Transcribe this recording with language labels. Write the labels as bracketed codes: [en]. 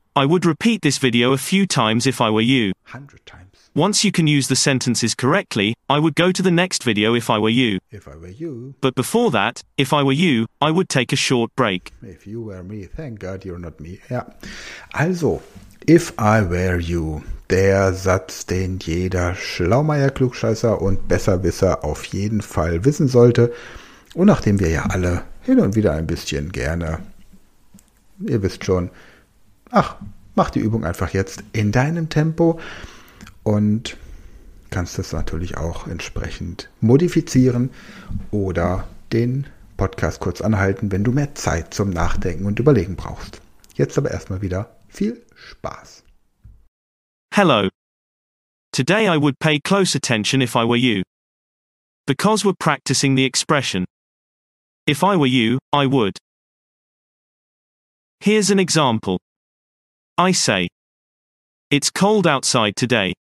[en] I would repeat this video a few times if I were you. 100 times. Once you can use the sentences correctly, I would go to the next video if I were you. If I were you. But before that, if I were you, I would take a short break. If you were me, thank God you're not me. Ja. Also, if I were you. [de] Der Satz, den jeder Schlaumeier-Klugscheißer und Besserwisser auf jeden Fall wissen sollte. Und nachdem wir ja alle hin und wieder ein bisschen gerne, ihr wisst schon, ach, mach die Übung einfach jetzt in deinem Tempo und kannst das natürlich auch entsprechend modifizieren oder den Podcast kurz anhalten, wenn du mehr Zeit zum Nachdenken und Überlegen brauchst. Jetzt aber erstmal wieder viel Spaß. [en] Hello. Today I would pay close attention if I were you. Because we're practicing the expression. If I were you, I would. Here's an example. I say, it's cold outside today.